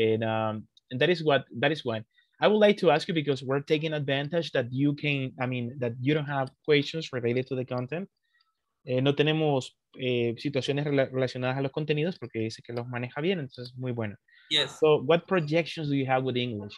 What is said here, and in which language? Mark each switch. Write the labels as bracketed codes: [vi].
[en] And that is what I would like to ask you, because we're taking advantage that you can, I mean, that you don't have questions related to the content. [es] No tenemos situaciones relacionadas a los contenidos porque dice que los maneja bien, entonces muy bueno. [en] Yes. So, what projections do you have with English?